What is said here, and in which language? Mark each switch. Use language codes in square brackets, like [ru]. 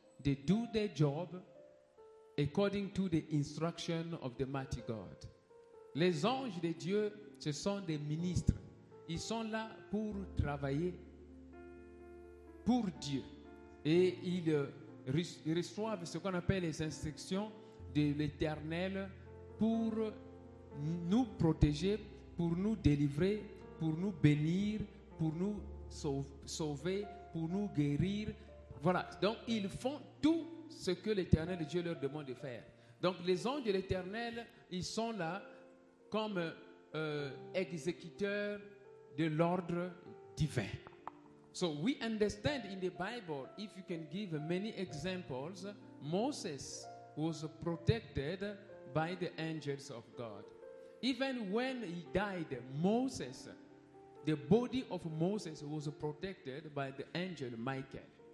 [en] They do their job according to the instruction of the mighty God. [fr] Les anges de Dieu, ce sont des ministres. Ils sont là pour travailler pour Dieu. Et ils reçoivent ce qu'on appelle les instructions de l'Éternel pour nous protéger, pour nous délivrer, pour nous bénir, pour nous sauver, pour nous guérir. Voilà. Donc, ils font tout ce que l'Éternel Dieu leur demande de faire. Donc, les anges de l'Éternel, ils sont là comme exécuteurs de l'ordre divin. [en] So we understand in the Bible, if you can give many examples, Moses was protected by the angels of God. Even when he died, Moses, the body of Moses was protected by the angel Michael.